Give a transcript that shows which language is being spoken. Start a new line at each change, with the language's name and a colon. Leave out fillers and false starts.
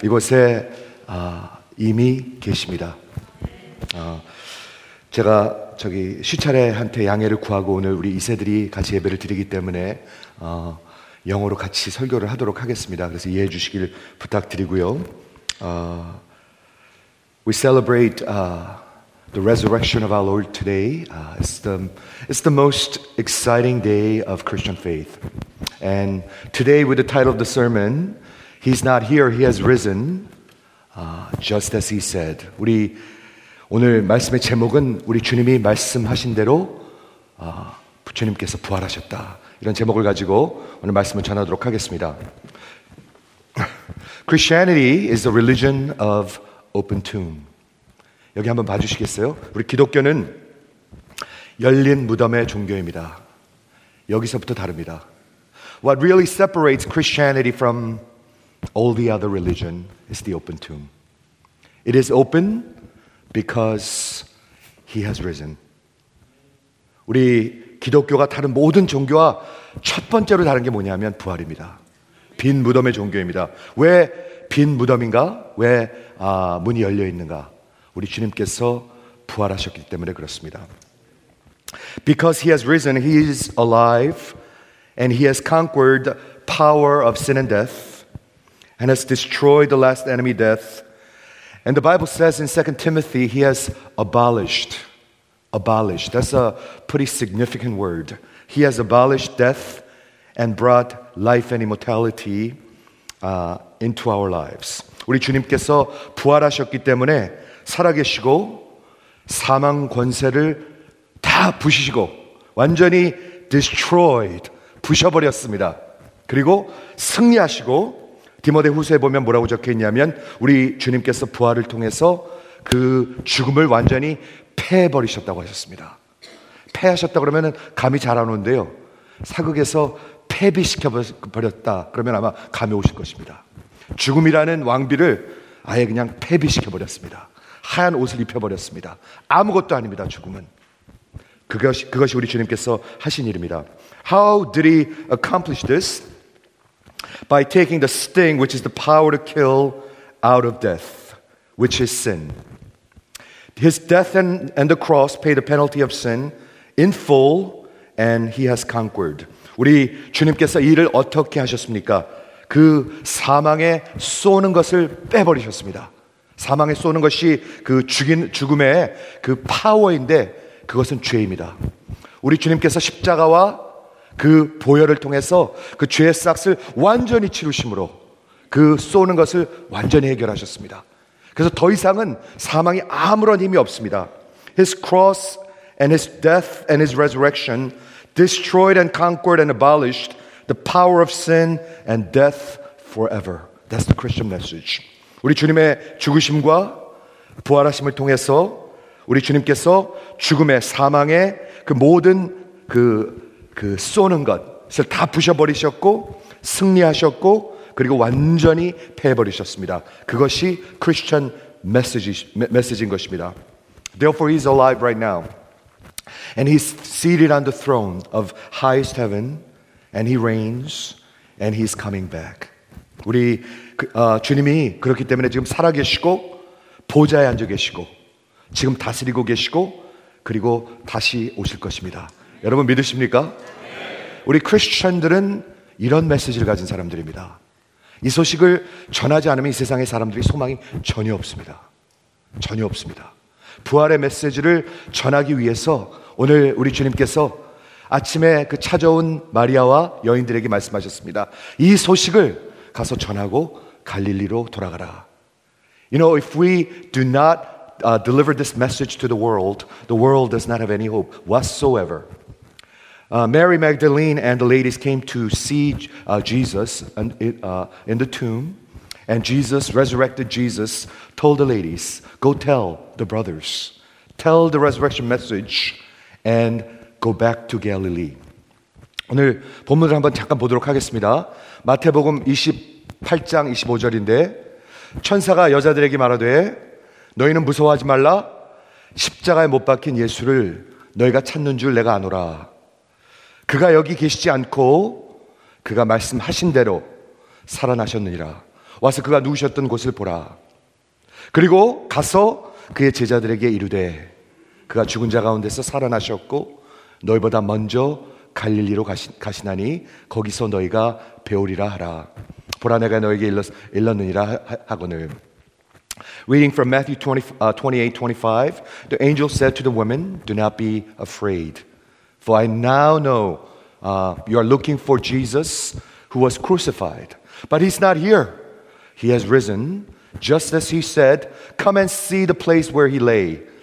Korean: 이곳에 이미 계십니다. 제가 저기 시차례한테 양해를 구하고 오늘 우리 이세들이 같이 예배를 드리기 때문에 영어로 같이 설교를 하도록 하겠습니다. 그래서 이해해 주시길 부탁드리고요.
English: We celebrate the resurrection of our Lord today. It's the most exciting day of Christian faith. And today, with the title of the sermon, He's not here, He has risen, just as He said.
Korean: 우리 오늘 말씀의 제목은 우리 주님이 말씀하신 대로 부처님께서 부활하셨다. 이런 제목을 가지고 오늘 말씀을 전하도록 하겠습니다.
English: Christianity is the religion of open tomb.
Korean: 여기 한번 봐주시겠어요? 우리 기독교는 열린 무덤의 종교입니다. 여기서부터 다릅니다.
English: What really separates Christianity from all the other religion is the open tomb. It is open because he has risen.
Korean: 우리 기독교가 다른 모든 종교와 첫 번째로 다른 게 뭐냐면 부활입니다. 빈 무덤의 종교입니다. 왜 빈 무덤인가? 왜 문이 열려 있는가? 우리 주님께서 부활하셨기 때문에 그렇습니다.
English: Because he has risen, he is alive, and he has conquered the power of sin and death, and has destroyed the last enemy death. And the Bible says in 2 Timothy, he has abolished. Abolished. That's a pretty significant word. He has abolished death and brought life and immortality into our lives.
Korean: 우리 주님께서 부활하셨기 때문에 살아계시고 사망 권세를 다 부시시고 완전히
English: destroyed,
Korean: 부셔버렸습니다. 그리고 승리하시고 디모데 후서에 보면 뭐라고 적혀있냐면 우리 주님께서 부활을 통해서 그 죽음을 완전히 패해버리셨다고 하셨습니다. 패하셨다 그러면 감이 잘 안 오는데요. 사극에서 패비시켜버렸다 그러면 아마 감이 오실 것입니다. 죽음이라는 왕비를 아예 그냥 패비시켜버렸습니다. 하얀 옷을 입혀버렸습니다. 아무것도 아닙니다, 죽음은. 그것이 우리 주님께서 하신 일입니다.
English: How did he accomplish this? By taking the sting, which is the power to kill, out of death, which is sin. His death and the cross paid the penalty of sin in full, and he has conquered.
Korean: 우리 주님께서 이를 어떻게 하셨습니까? 그 사망에 쏘는 것을 빼버리셨습니다. 사망에 쏘는 것이 그 죽음의 그 파워인데 그것은 죄입니다. 우리 주님께서 십자가와 그 보혈을 통해서 그 죄의 싹스를 완전히 치루심으로 그 쏘는 것을 완전히 해결하셨습니다. 그래서 더 이상은 사망이 아무런 힘이 없습니다.
English: His cross and his death and his resurrection destroyed and conquered and abolished the power of sin and death forever. That's the Christian message.
Korean: 우리 주님의 죽으심과 부활하심을 통해서 우리 주님께서 죽음의 사망의 그 모든 그 쏘는 것을 다 부셔버리셨고 승리하셨고 그리고 완전히 패해버리셨습니다. 그것이
English: Christian message
Korean: 인 것입니다.
English: Therefore he is alive right now. And he's seated on the throne of highest heaven. And he reigns. And he's coming back.
Korean: 우리 주님이 그렇기 때문에 지금 살아계시고 보좌에 앉아계시고 지금 다스리고 계시고 그리고 다시 오실 것입니다. 여러분 믿으십니까? 우리 크리스천들은 이런 메시지를 가진 사람들입니다. 이 소식을 전하지 않으면 이 세상의 사람들이 소망이 전혀 없습니다. 전혀 없습니다. 부활의 메시지를 전하기 위해서 오늘 우리 주님께서 아침에 그 찾아온 마리아와 여인들에게 말씀하셨습니다. 이 소식을 가서 전하고 갈릴리로 돌아가라.
English: You know, if we do not deliver this message to the world does not have any hope whatsoever. Mary Magdalene and the ladies came to see Jesus in the tomb. And Jesus, resurrected Jesus, told the ladies, go tell the brothers. Tell the resurrection message and go back to Galilee.
Korean: 오늘 본문을 한번 잠깐 보도록 하겠습니다. 마태복음 28장 25절인데 천사가 여자들에게 말하되 너희는 무서워하지 말라. 십자가에 못 박힌 예수를 너희가 찾는 줄 내가 아노라. 그가 여기 계시지 않고 그가 말씀하신 대로 살아나셨느니라. 와서 그가 누우셨던 곳을 보라. 그리고 가서 그의 제자들에게 이르되 그가 죽은 자 가운데서 살아나셨고 너희보다 먼저 갈릴리로 가시나니 거기서 너희가 배우리라 하라. 보라 내가 너희에게 일렀느니라 하거늘.
English: Reading from Matthew 28:25, the angel said to the woman, "Do not be afraid, for I now know you are looking for Jesus who was crucified. But he's not here. He has risen, just as he said, come and see the place where he lay.